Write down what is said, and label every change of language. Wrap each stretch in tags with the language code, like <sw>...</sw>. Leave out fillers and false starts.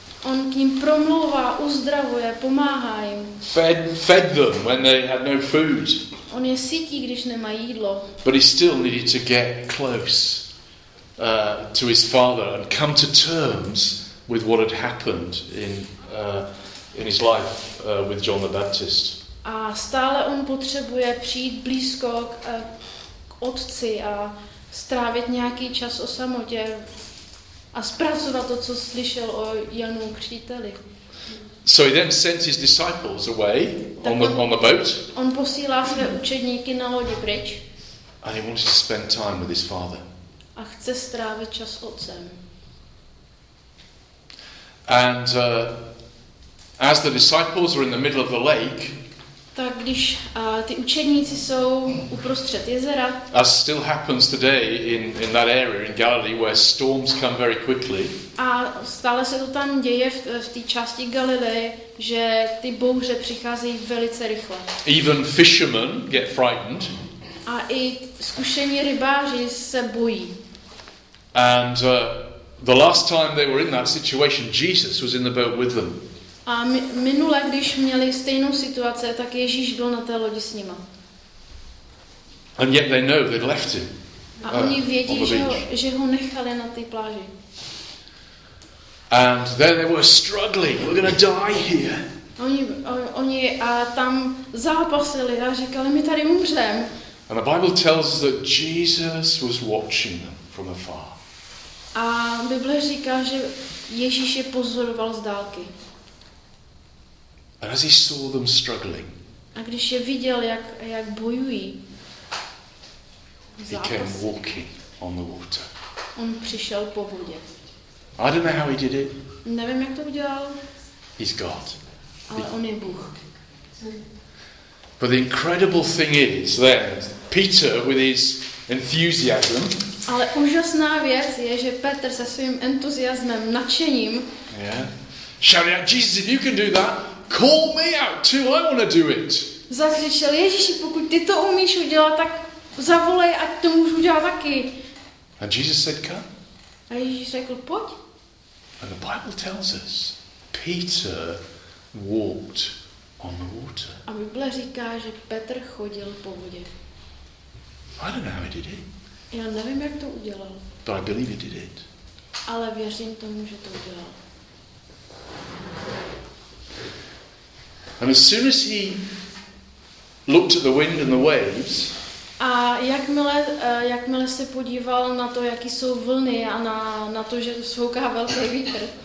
<cs>On k ním promlouvá, uzdravuje, pomáhá jim.</cs> <en>Fed them when they had no food.</en> <cs>On je sytí, když nemají jídlo.</cs> <en>But he still needed to get close to his father and come to terms with what had happened in his life with John the Baptist.</en> <cs>A stále on potřebuje přijít blízko k otci a strávit nějaký čas o samotě a zpracovat to, co slyšel o Janu Křtiteli.</cs> <en>So he then sent his disciples away on the boat.</en> <cs>On posílá své učedníky na lodi pryč.</cs> <en>And he wants to spend time with his father.</en> <cs>A chce strávit čas s otcem.</cs> <en>And as the disciples were in the middle of the lake,</en> <cs>tak když ty učedníci jsou uprostřed jezera.</cs> <en>As still happens today in that area in Galilee where storms come very quickly.</en> <cs>A stále se to tam děje v té části Galileje, že ty bouře přicházejí velice rychle.</cs> <en>Even fishermen get frightened.</en> <cs>A i zkušení rybáři se bojí.</cs> <en>And the last time they were in that situation, Jesus was in the boat with them.</en> <cs>A minule, když měli stejnou situaci, tak Ježíš byl na té lodi s nima.</cs> <en>And yet they know they'd left him.</en> <cs>A oni vědí, že ho nechali na té pláži.</cs> <en>And then they were struggling. We're going to die here.</en> <cs>Oni a tam zápasili a říkali, my tady umřem.</cs> <en>And the Bible tells us that Jesus was watching them from afar.</en> <cs>A Bible říká, že Ježíš je pozoroval z dálky.</cs> <en>And as he saw them struggling,</en> <cs>a když je viděl, jak bojují, zápasí,</cs> <en>he came walking on the water.</en> <cs>On přišel po vodě.</cs> <en>I don't know how he did it.</en> <cs>Nevím, jak to udělal.</cs> <en>He's God.</en> <cs>Ale on je Bůh.</cs> <en>But the incredible thing is then, Peter with his enthusiasm.</en> <cs>Ale úžasná věc je, že Petr se svým entuziasmem, nadšením.</cs> <en>Yeah. Shouted out, Jesus, if you can do that, call me out too, I want to do it.</en> <cs>Zakřičel, Ježíši, pokud ty to umíš udělat, tak zavolej, ať to můžu udělat taky.</cs> <en>And Jesus said, come.</en> <cs>A Ježíš řekl, pojď.</cs> <en>And the Bible tells us, Peter walked on the water.</en> <cs>A Bible říká, že Petr chodil po vodě.</cs> <en>I don't know how he did it.</en> <cs>Já nevím, jak to udělal.</cs> <en>But I believe he did it.</en> <cs>Ale věřím tomu, že to udělal.</cs> <en>And as soon as he looked at the wind and the waves,</en> <cs>a jakmile se podíval na to, jaký jsou vlny a na to, že svouká velký vítr.</cs>